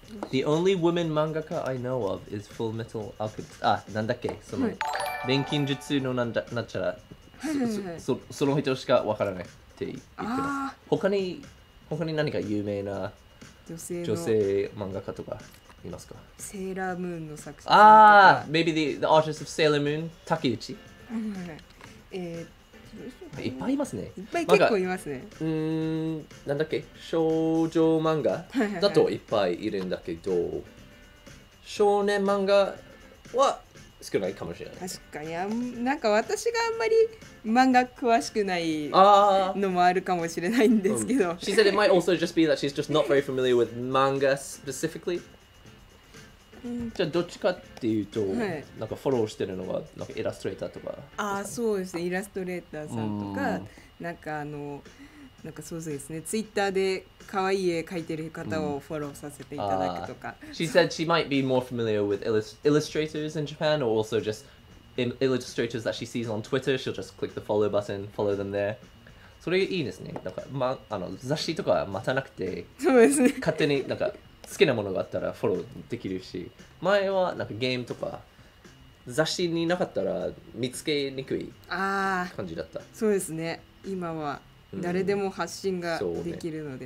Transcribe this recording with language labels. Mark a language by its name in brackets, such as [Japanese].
[English] The only woman mangaka I know of is Full Metal Alchemist. [Japanese] Ah, なんだっけ、その、錬金術のなんだ、なっちゃら。その人しかわからないって言ってます。他に何か有名な女性漫画家とかいますか？セーラームーンの作 [English] 者。ああ、maybe the artist of Sailor Moon、竹内。 [Japanese] いっぱいいますね。いっぱい結構いますね。なんだっけ、少女漫画だといっぱいいるんだけど、少年漫画は少ないかもしれない。確かに、なんか私があんまり漫画詳しくないのもあるかもしれないんですけど。 [English] She said it might also just be that she's just not very familiar with manga specifically. [Japanese] じゃあどっちかっていうと、はい、なんかフォローしてるのはなんかイラストレーターとか。ああ、そうですね。イラストレーターさんとか、なんかあの、なんかそうですね。ツイッターで可愛い絵描いてる方をフォローさせていただくとか。 [English] She said she might be more familiar with illustrators in Japan or also just illustrators that she sees on Twitter. She'll just click the follow button, follow them there. [Japanese] それいいですね。なんか、ま、あの雑誌とか待たなくて、そうですね、勝手になんか好きなものがあったらフォローできるし、前はなんかゲームとか雑誌になかったら見つけにくい感じだった。そうですね。今は誰でも発信ができるので、